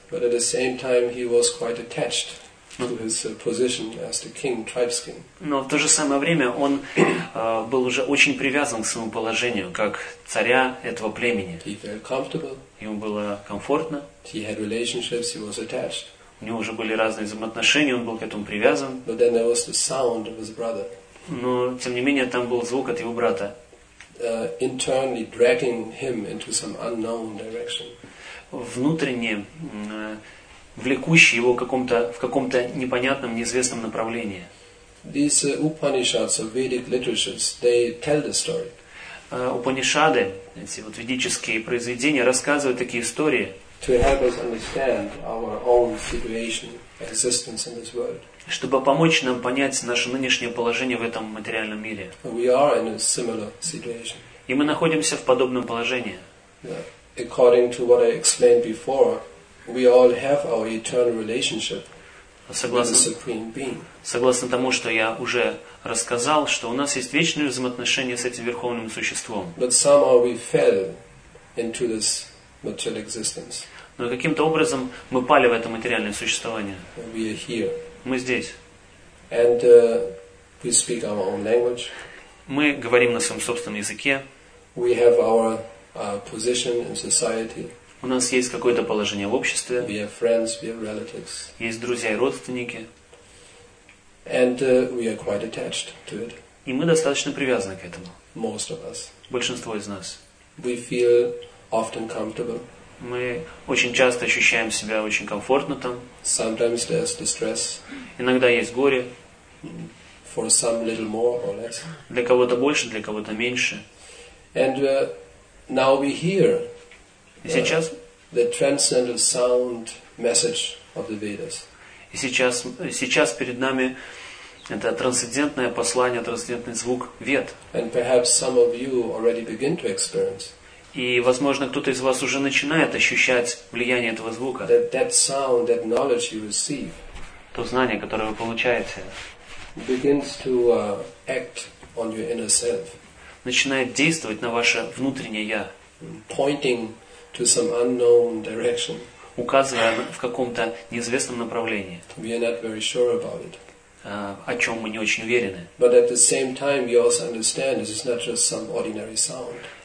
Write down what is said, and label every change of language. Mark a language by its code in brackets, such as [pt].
[en] But at the same time he was quite attached to his position as the king, tribe's king. [ru] Но в то же самое время он был уже очень привязан к своему положению, как царя этого племени. [en] He felt comfortable. [ru] Ему было комфортно. [en] He had relationships, he was attached. [ru] У него уже были разные взаимоотношения, он был к этому привязан. [en] But then there was the sound of his brother. [ru] Но, тем не менее, там был звук от его брата. [en] Internally dragging him into some unknown direction. [ru] Внутренне влекущий его в каком-то непонятном, неизвестном направлении. [en] These Upanishads or Vedic literatures, they tell the story. [ru] Упанишады, эти вот ведические произведения, рассказывают такие истории. [en] To help us understand our own situation, existence in this world. [ru] Чтобы помочь нам понять наше нынешнее положение в этом материальном мире. [en] We are in a similar situation. [ru] И мы находимся в подобном положении. [en] Yeah. According to what I explained before, we all have our eternal relationship with the Supreme Being. [ru] Согласно тому, что я уже рассказал, что у нас есть вечные взаимоотношения с этим Верховным Существом. [en] But somehow we fell into this material existence. [ru] Но каким-то образом мы пали в это материальное существование. [en] We are here. [ru] Мы здесь. [en] And we speak our own language. [ru] Мы говорим на своем собственном языке. [en] We have our position in society. [ru] У нас есть какое-то положение в обществе. [en] We have friends, we have relatives. [ru] Есть друзья и родственники. [en] And we are quite attached to it. [ru] И мы достаточно привязаны к этому. [en] Most of us. [ru] Большинство из нас. [en] We feel often comfortable. [ru] Мы очень часто ощущаем себя очень комфортно там. [en] Sometimes there's distress. [ru] Иногда есть горе. [en] For some little more or less. [ru] Для кого-то больше, для кого-то меньше. [en] And now we hear. [ru] И сейчас [en] the transcendental sound message of the Vedas. [ru] И сейчас перед нами это трансцендентное послание, трансцендентный звук Вед. [en] And perhaps some of you already begin to experience. [ru] И возможно, кто-то из вас уже начинает ощущать влияние этого звука. [en] That sound, that knowledge you receive. [ru] То знание, которое вы получаете, [en] begins to act on your inner self. [ru] Начинает действовать на ваше внутреннее я. [en] Pointing to some unknown direction. [ru] Указывая в каком-то неизвестном направлении. [en] We are not very sure about it. [ru] О чем мы не очень уверены. [en] But at the same time, we also understand this is not just some ordinary sound.